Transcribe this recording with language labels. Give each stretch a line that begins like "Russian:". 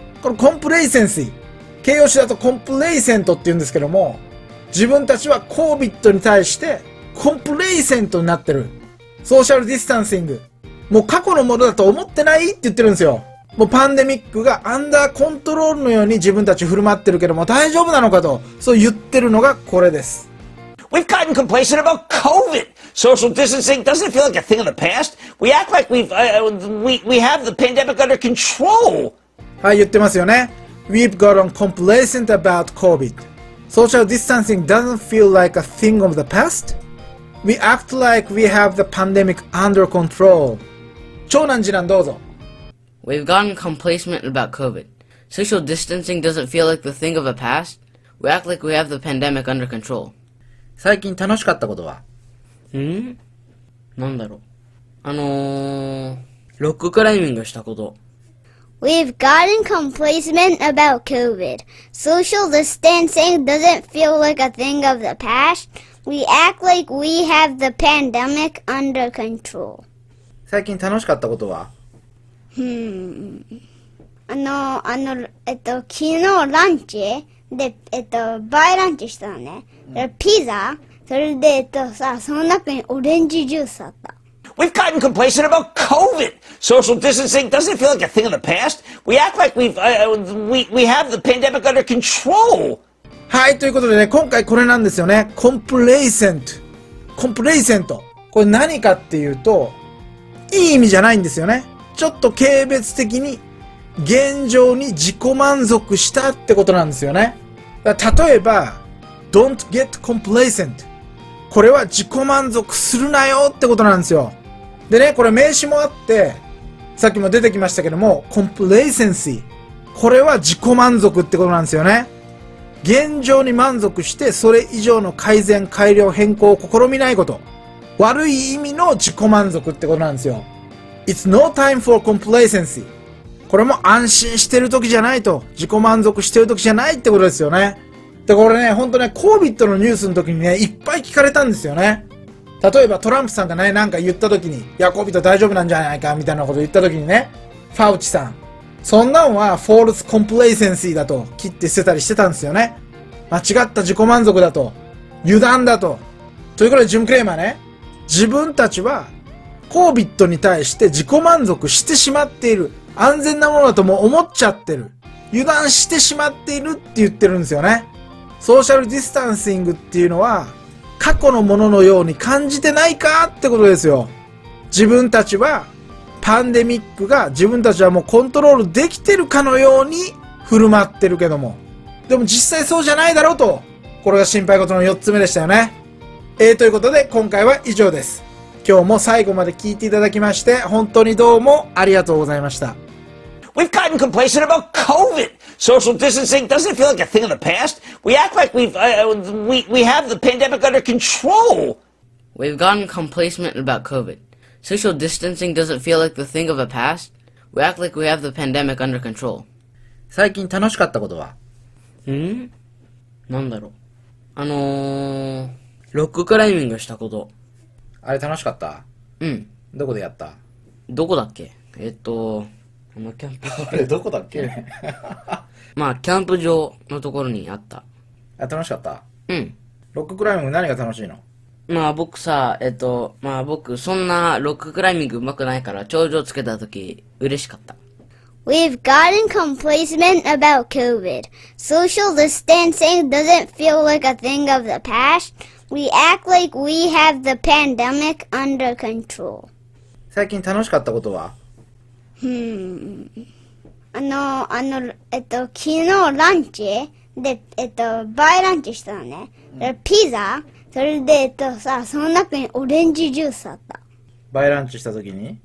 Japanese: このコンプレイセンシー、形容詞だとコンプレイセントって言うんですけども、自分たちは COVID に対してコンプレイセントになってる。ソーシャルディスタンシング。もう過去のものだと思ってないって言ってるんですよ。もうパンデミックがアンダーコントロールのように自分たち振る舞ってるけども大丈夫なのかと、そう言ってるのがこれです。
English: We've gotten complacent about COVID. Social distancing doesn't feel like a thing of the past. We act like we have the pandemic under control.
Japanese: はい、言ってますよね。
English: We've gotten complacent about COVID. Social distancing doesn't feel like a thing of the past. We act like we have the pandemic under control.
Japanese: 長男次男どうぞ。
English: We've gotten complacent about COVID. Social distancing doesn't feel like the thing of the past. We act like we have the pandemic under control.
Japanese: 最近楽しかったことは？ん？なんだろう。ロッククライミングしたこと。
English: We've gotten complacent about COVID. Social distancing doesn't feel like a thing of the past. We act like we have the pandemic under control.
Japanese: 最近楽しかったことは？昨日ランチで、バイランチしたのね。ピザ、それで、その中にオレンジジュースあった。
English: We've gotten complacent about COVID! Social distancing doesn't feel like a thing of the past. We act like we have the pandemic under control!
Japanese: はい、ということでね、今回これなんですよね。
English: Complacent。 Complacent。
Japanese: これ何かっていうと、いい意味じゃないんですよね。ちょっと軽蔑的に、現状に自己満足したってことなんですよね。例えば、
English: Don't get complacent.
Japanese: これは自己満足するなよってことなんですよ。でね、これ名詞もあって、さっきも出てきましたけども、complacency。これは自己満足ってことなんですよね。現状に満足して、それ以上の改善、改良、変更を試みないこと。悪い意味の自己満足ってことなんですよ。
English: It's no time for complacency.
Japanese: これも安心してる時じゃないと、自己満足してる時じゃないってことですよね。でこれね、ほんとね、COVID のニュースの時にね、いっぱい聞かれたんですよね。例えばトランプさんがね、なんか言った時に、いや、COVID 大丈夫なんじゃないか、みたいなこと言った時にね、ファウチさん、そんなんはフォールスコンプレイセンシーだと、切って捨てたりしてたんですよね。間違った自己満足だと、油断だと。ということで、ジム・クレーマーね、自分たちは、COVID に対して自己満足してしまっている、安全なものだとも思っちゃってる、油断してしまっているって言ってるんですよね。ソーシャルディスタンシングっていうのは過去のもののように感じてないかってことですよ。自分たちはパンデミックが自分たちはもうコントロールできてるかのように振る舞ってるけども。でも実際そうじゃないだろうと。これが心配事の4つ目でしたよね。ということで今回は以上です。今日も最後まで聞いていただきまして本当にどうもありがとうございました。
English: We've gotten complacent about COVID. Social distancing doesn't feel like a thing of the past. We act like we have the pandemic under control. We've gotten complacent about COVID. Social distancing doesn't feel like the thing of the past. We act like we have the pandemic under control.
Japanese: 最近楽しかったことは？ん？なんだろう。ロッククライミングしたこと。あれ楽しかった？うん。どこでやった？どこだっけ？このキャンプ場。あれどこだっけ？まあ、キャンプ場のところにあった。あ、楽しかった？うん。ロッククライミング何が楽しいの？まあ僕さ、まあ僕そんなロッククライミング上手くないから頂上つけた時嬉しかった。
English: We've gotten complacent about COVID. Social distancing doesn't feel like a thing of the past. We act like we have the pandemic under control.
Japanese: 最近楽しかったことは？昨日ランチで、バイランチしたのね。で、ピザ？それで、さ、その中にオレンジジュースあった。バイランチした時に？